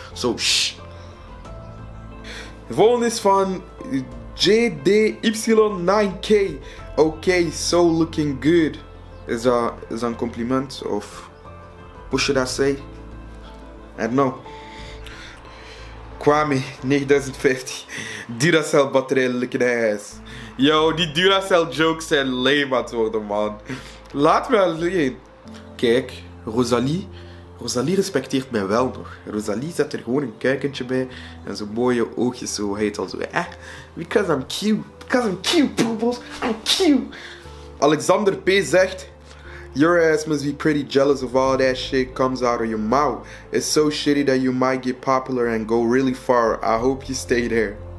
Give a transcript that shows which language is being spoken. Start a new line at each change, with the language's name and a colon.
Dutch: So, shh. Volgende is van JDY9K.
English: Okay, so looking good.
Dutch: Is een compliment of...
English: What should I say? I don't know. Kwame, 9050. Duracell battery looking ass.
Dutch: Yo, die Duracell jokes zijn lame aan het worden, man. Laat me alleen. Kijk, Rosalie. Rosalie respecteert mij wel nog. Rosalie zet er gewoon een kuikentje bij. En zijn mooie oogjes zo heet als wij.
English: Eh? Because I'm cute. Because I'm cute, poobles. I'm cute. Alexander P.
Dutch: zegt...
English: Your ass must be pretty jealous of all that shit comes out of your mouth. It's so shitty that you might get popular and go really far. I hope you stay there.